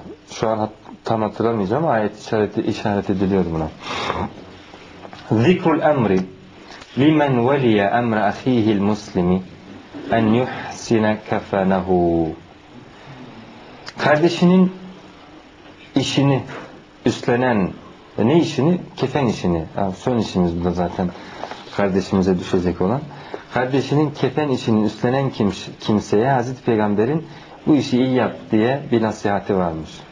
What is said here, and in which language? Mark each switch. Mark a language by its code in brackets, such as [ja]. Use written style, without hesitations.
[tr] Şu an tam hatırlamayacağım ama ayet işaret ediliyor buna. [ar] ذِكْرُ الْأَمْرِ لِمَنْ وَلِيَ أَمْرَ أَخِيهِ الْمُسْلِمِ أَنْ يُحْسِنَ كَفَنَهُ [tr] Kardeşinin işini üstlenen, ne işini? Kefen işini. Son işimiz bu da zaten kardeşimize düşecek olan. Kardeşinin kefen işini üstlenen kimseye Hazreti Peygamber'in bu işi iyi yap diye bir nasihati varmış.